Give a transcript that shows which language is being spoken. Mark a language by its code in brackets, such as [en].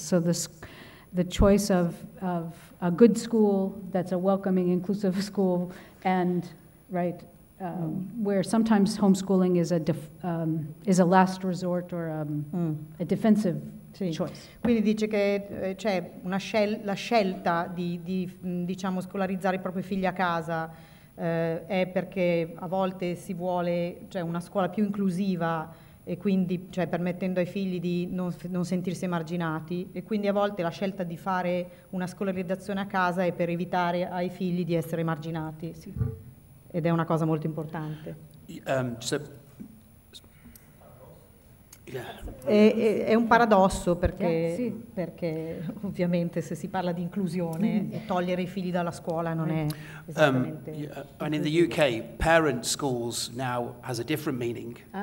[en] So the choice of a good school that's a welcoming, inclusive school, and right where sometimes homeschooling is a last resort or a defensive [it] Sì. Quindi dice che c'è una la scelta di diciamo scolarizzare i propri figli a casa è perché a volte si vuole cioè, una scuola più inclusiva e quindi cioè, permettendo ai figli di non sentirsi emarginati e quindi a volte la scelta di fare una scolarizzazione a casa è per evitare ai figli di essere emarginati sì. Ed è una cosa molto importante. È un paradosso perché, sì. Perché ovviamente se si parla di inclusione togliere i figli dalla scuola non è esattamente [en] And in the UK parent schools now has a different meaning.